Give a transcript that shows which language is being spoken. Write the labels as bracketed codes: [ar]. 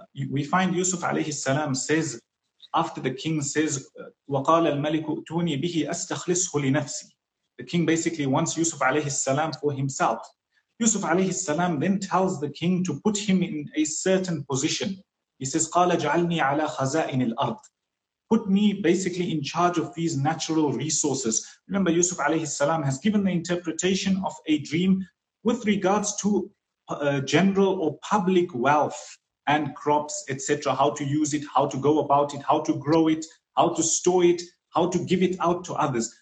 [en] We find Yusuf alayhi salam says, after the king says, [ar] وَقَالَ الْمَلِكُ أُتُونِي بِهِ أَسْتَخْلِصْهُ لِنَفْسِي. [en] The king basically wants Yusuf alayhi salam for himself. Yusuf alayhi salam then tells the king to put him in a certain position. He says, [ar] قَالَ جَعَلْنِي عَلَى خَزَائِنِ الْأَرْضِ. [en] Put me basically in charge of these natural resources. Remember, Yusuf alayhi salam has given the interpretation of a dream with regards to general or public wealth and crops, etc. How to use it, how to go about it, how to grow it, how to store it, how to give it out to others.